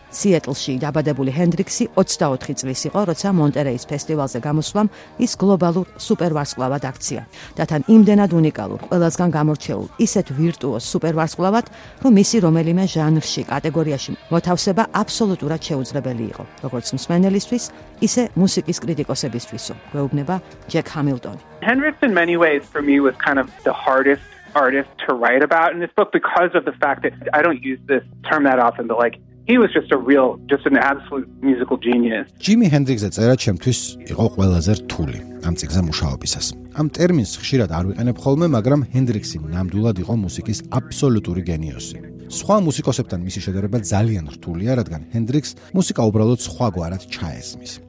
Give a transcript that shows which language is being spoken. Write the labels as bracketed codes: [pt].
[ka] სიეტლში დაბადებული ჰენდრიქსი 24 წლის იყო, როცა მონტერეის ფესტივალზე გამოსვლამ ის გლობალურ სუპერვარსკვლავად აქცია. და თან იმდენად უნიკალურ, ყველასგან გამორჩეულ, ისეთ ვირტუოს სუპერვარსკვლავად, რომ მისი რომელიმე ჟანრში, კატეგორიაში მოთავსება აბსოლუტურად შეუძლებელი იყო, როგორც მსმენელისთვის, ისე მუსიკის კრიტიკოსებისთვისო, გვეუბნება ჯეკ ჰამილტონი. [en] Hendrix in many ways for me was kind of the hardest artist to write about in this book because of the fact that I don't use this term that often, but like he was just a real, just an absolute musical genius. [ka] Jimi Hendrix-ზე წერა ჩემთვის იყო ყველაზე რთული ამ წიგნზე მუშაობისას. ამ ტერმინს ხშირად არ ვიყენებ ხოლმე, მაგრამ ჰენდრიქსი ნამდვილად იყო მუსიკის აბსოლუტური გენიოსი. სხვა მუსიკოსებთან მისი შედარება ძალიან რთულია, რადგან ჰენდრიქსს მუსიკა უბრალოდ სხვაგვარად ჩაესმის.